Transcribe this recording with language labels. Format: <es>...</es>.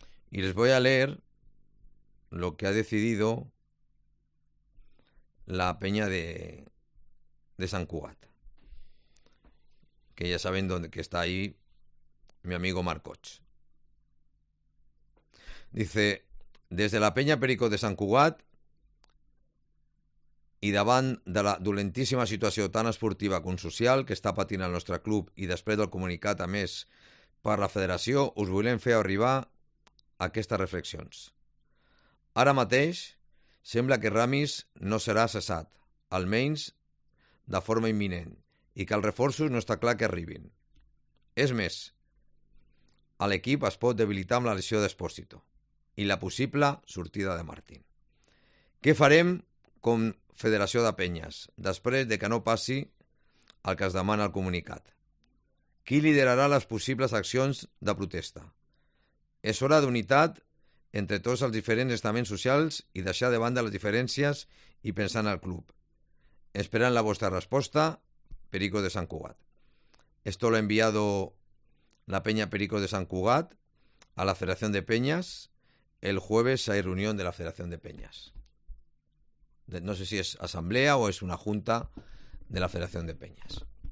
<es>Y les voy a leer lo que ha decidido la peña de San Cugat. Que ya saben dónde que está ahí mi amigo Marcoch. Dice, desde la peña</es> <ca>Perico de San Cugat i davant de la dolentíssima situació tan esportiva com social que està patint el nostre club i després del comunicat a més per la federació, us volem fer arribar aquestes reflexions. Ara mateix, sembla que Ramis no serà cessat, almenys de forma imminent, i que els reforços no està clar que arribin. És més, a l'equip es pot debilitar amb la lesió d'Espósito i la possible sortida de Martín. Què farem com Federació de Penyes després de que no passi el que es demana el comunicat? Qui liderarà les possibles accions de protesta? És hora d'unitat entre tots els diferents estaments socials i deixar de banda les diferències i pensar en el club. Esperant la vostra resposta, Perico de Sant Cugat.</ca> <es>Esto lo ha enviado la Peña Perico de Sant Cugat a la Federación de Peñas. El jueves hay reunión de la Federación de Peñas. No sé si es asamblea o es una junta de la Federación de Peñas.</es>